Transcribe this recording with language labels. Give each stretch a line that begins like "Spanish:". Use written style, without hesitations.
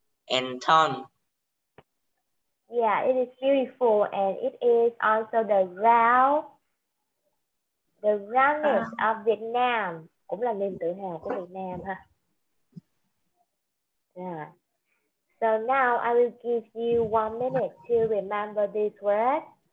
English: and tall. Yeah, it is beautiful and it is also the round, the roundest of Vietnam.
Vietnamese: Cũng là niềm tự hào của Việt Nam ha. Yeah.
English: So now I will give you 1 minute to remember this word.